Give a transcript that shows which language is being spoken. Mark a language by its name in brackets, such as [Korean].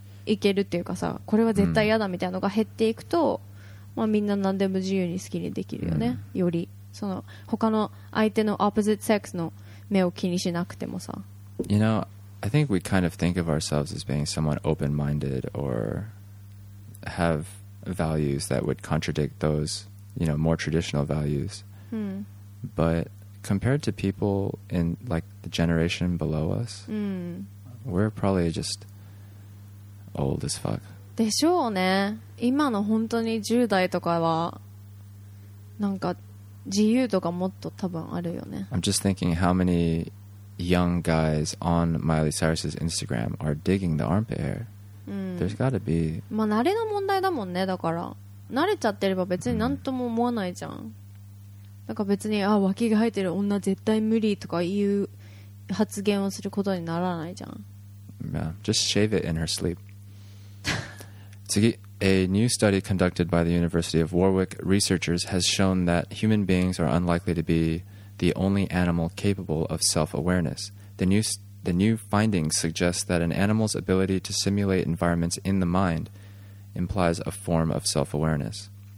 [Japanese] いけるっていうかさ、これは絶対嫌だみたいなのが減っていくと、まあ、みんな何でも自由に好きにできるよね、よりその他の相手の opposite sex の目を気にしなくてもさ。 [English] You know, I think we kind of think of ourselves as being somewhat open-minded or have values that would contradict those, you know, more traditional values. But compared to people in like the generation below us, we're probably justOld as fuck. [Japanese] でしょうね。今の本当に10代とかはなんか自由とかもっと多分あるよね。 [English] I'm just thinking how many young guys on Miley Cyrus's Instagram are digging the armpit hair. There's gotta be. [Japanese] まあ慣れの問題だもんね。だから慣れちゃってれば別になんとも思わないじゃん。だから別にあ脇が生えてる女絶対無理とかいう発言をすることにならないじゃん。 [English] Yeah, just shave it in her sleep. A new study conducted by the University of Warwick researchers has shown that human beings are unlikely to be the only animal capable of self-awareness. The new findings suggest that an animal's ability to simulate environments in the mind implies a form of self-awareness.